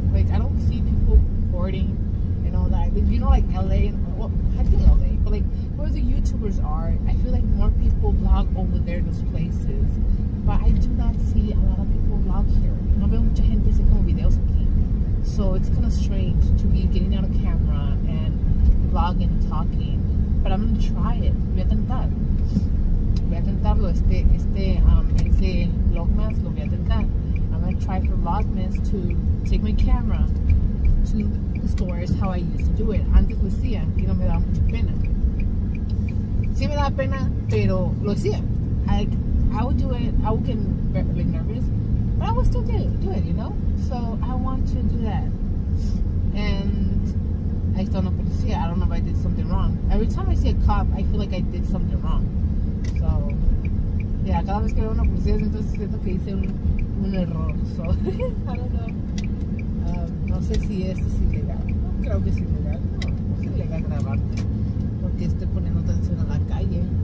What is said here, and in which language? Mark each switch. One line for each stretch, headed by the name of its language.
English: Like, I don't see people recording and all that. Like, you know, like LA, and, well, I think LA, but like where the YouTubers are, I feel like more people vlog over there in those places. But I do not see a lot of people vlog here.
Spanish: No veo mucha gente hace como videos aquí.
English: So it's kind of strange to be getting out of camera and vlogging and talking. But I'm going to try it.
Spanish: Voy a tentar. Voy a tentarlo. Este vlogmas lo voy a tentar.
English: I'm going to try for vlogmas to take my camera to the stores how I used to do it.
Spanish: Antes lo hacía y no me daba mucha pena. Sí me daba pena, pero lo hacía.
English: I would do it. I would get very, very nervous, but I would still do it, you know? So I want to do that. And I still don't know what to see. I don't know if I did something wrong. Every time I see a cop, I feel like I did something wrong. So, yeah,
Spanish: cada vez que veo una policía, entonces siento que hice un error.
English: So, I don't know.
Spanish: No sé si esto es ilegal. No creo que es ilegal. No, no es ilegal grabarte porque estoy poniendo atención a la calle.